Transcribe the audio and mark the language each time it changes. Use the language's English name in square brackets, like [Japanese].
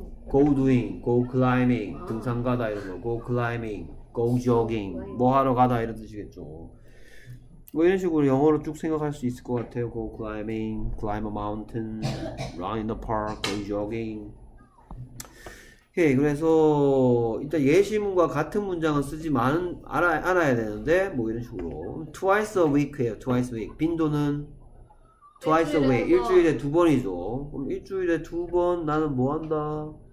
[English] go doing, go climbing [Korean] 등산 가다 이런 거 [English] go climbing go jogging [Korean] 뭐 하러 가다 이런 뜻이겠죠. 뭐 이런 식으로 영어로 쭉 생각할 수 있을 것 같아요. [English] go climbing, climb a mountain, run in the park, go jogging. [Korean] 오케이, 그래서 일단 예시문과 같은 문장은 쓰지 마는 알아야 되는데 뭐 이런 식으로 [English] twice a week [Korean] 예요. [English] twice a week [Korean] 빈도는 twice a week 일주일에 두 번이죠. 그럼 일주일에 두 번 나는 뭐 한다?